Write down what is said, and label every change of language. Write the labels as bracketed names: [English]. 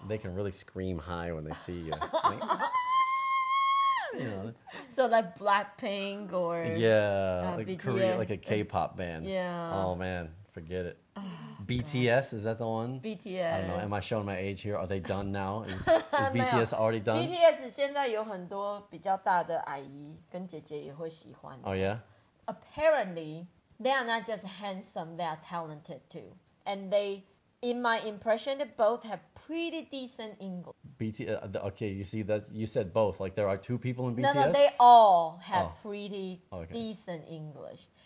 [English] They can really scream high when they see you. You know. So like Blackpink or like BTS. Korea, like a K-pop band. Yeah. Oh man, forget it. BTS, is that the one? BTS. I don't know. Am I showing my age here? Are they done now? Is BTS already done? [Chinese] BTS 现在有很多比较大的阿姨跟姐姐也会喜欢。 [English] Oh yeah. Apparently, they are not just handsome; they are talented too. And they, in my impression, they both have pretty decent English. Okay, you see, that you said both. Like, there are two people in BTS? No, they all have pretty decent English.